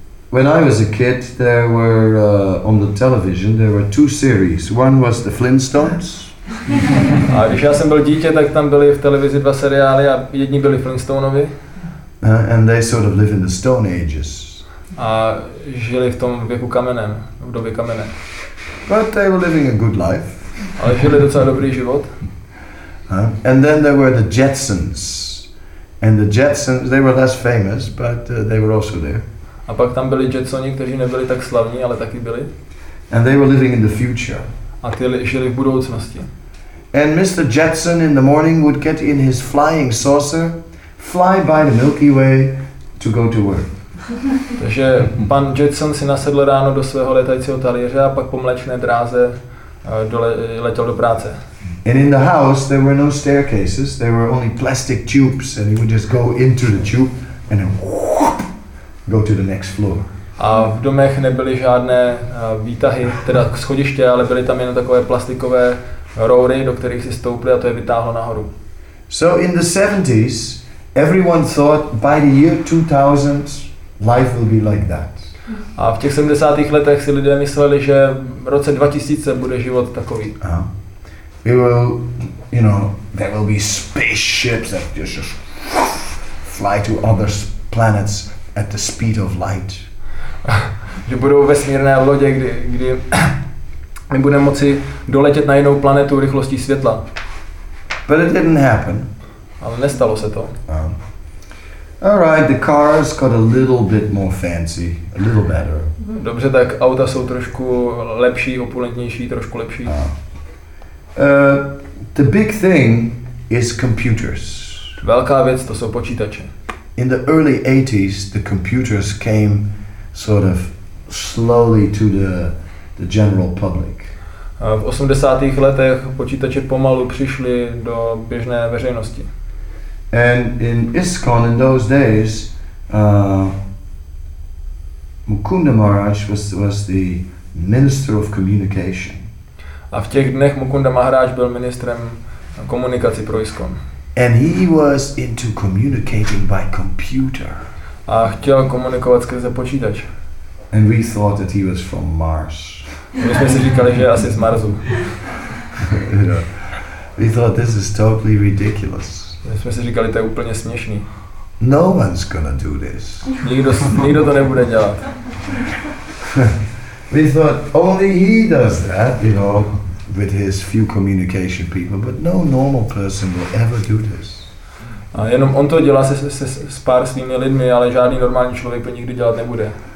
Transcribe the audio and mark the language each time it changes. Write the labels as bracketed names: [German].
[English] When I was a kid, there were on the television there were two series. One was the Flintstones. [Czech] A když já jsem byl dítě, tak tam byly v televizi dva seriály a jedni byli Flintstonovi. [English] And they sort of live in the Stone Ages. [Czech] A žili v tom věku kamenem, v době kamene. [English] But they were living a good life. [Czech] Ale žili docela dobrý život. [English] And then there were the Jetsons. And the Jetsons, they were less famous, but they were also there. [Czech] A pak tam byli Jetsoni, kteří nebyli tak slavní, ale taky byli. [English] And they were living in the future. [Czech] A ty žili v budoucnosti. [English] And Mr. Jetson in the morning would get in his flying saucer, fly by the Milky Way to go to work. [Czech] Takže pan Jetson si nasedl ráno do svého letajícího talíře a pak po mléčné dráze letěl do práce. [English] And in the house there were no staircases, there were only plastic tubes and he would just go into the tube and then whoop, go to the next floor. [Czech] A v domech nebyly žádné výtahy, teda schodiště, ale byly tam jen takové plastikové roury, do kterých si stoupili a to je vytáhlo nahoru. [English] So in the 70s everyone thought by the year 2000 life will be like that. [Czech] A v těch 70. letech si lidé mysleli, že v roce 2000 bude život takový. [English] We will, you know, there will be spaceships that just fly to other planets at the speed of light. [Czech] Že budou vesmírné lodě, kdy my budeme moci doletět na jinou planetu rychlostí světla. [English] But it didn't happen. [Czech] Ale nestalo se to. [English] All right, the cars got a little bit more fancy, a little better. [Czech] Dobře, tak auta jsou trošku lepší, opulentnější, trošku lepší. [English] The big thing is computers. [Czech] Velká věc, to jsou počítače. [English] In the early 80s, the computers came sort of slowly to the general public. [Czech] V 80. letech počítače pomalu přišly do běžné veřejnosti. [English] And in ISKCON in those days, Mukunda Maharaj was the minister of communication. [Czech] A v těch dnech Mukunda Maharaj byl ministrem komunikací pro ISKCON. [English] And he was into communicating by computer. [Czech] A chtěl komunikovat skrze počítač. [English] And we thought that he was from Mars. [Czech] My jsme si říkali, že je asi z Marsu. [English] We thought this is totally ridiculous. [Czech] My jsme si říkali, to je úplně směšný. [English] No one's gonna do this. [Czech] Nikdo to nebude dělat. [English] We thought only he does that, you know, with his few communication people, but no normal person will ever do this. [Czech] A jenom on to dělá s pár svými lidmi, ale žádný normální člověk to nikdy dělat nebude.